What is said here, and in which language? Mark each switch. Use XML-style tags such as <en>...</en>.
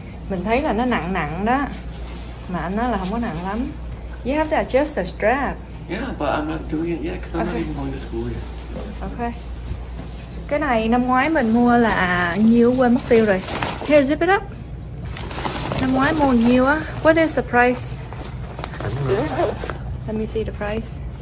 <vi>Mình thấy là nó nặng nặng đó. Mà anh nói là không có nặng lắm.</vi> <en>You have to adjust the strap. Yeah, but I'm not doing it yet because I'm not even going to school yet. Okay.</en> <vi>Cái này năm ngoái mình mua là nhiều quên mất tiêu rồi.</vi> <en>Here, zip it up.</en> <vi>Năm ngoái mua nhiều á.</vi> <en>What is the price? Let me see the price.</en>